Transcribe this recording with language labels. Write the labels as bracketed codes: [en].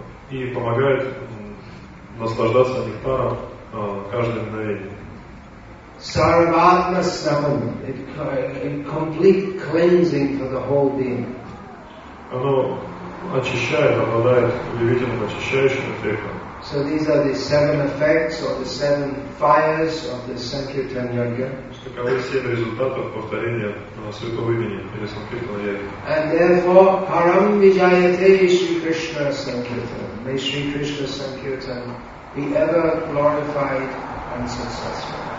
[ru] И помогает наслаждаться нектаром каждое мгновение. [en] Sarvatma Samam, it complete cleansing for the whole being. [ru] Оно очищает, обладает удивительным очищающим эффектом. [en] So these are the seven effects or the seven fires of the Sankirtan Yajna. [ru] Таковы семь результатов повторения святого имени или Санкиртана Яги. [en] And therefore, Param Vijayate Shri Krishna Sankirtan. May Shri Krishna Sankirtan be ever glorified and successful.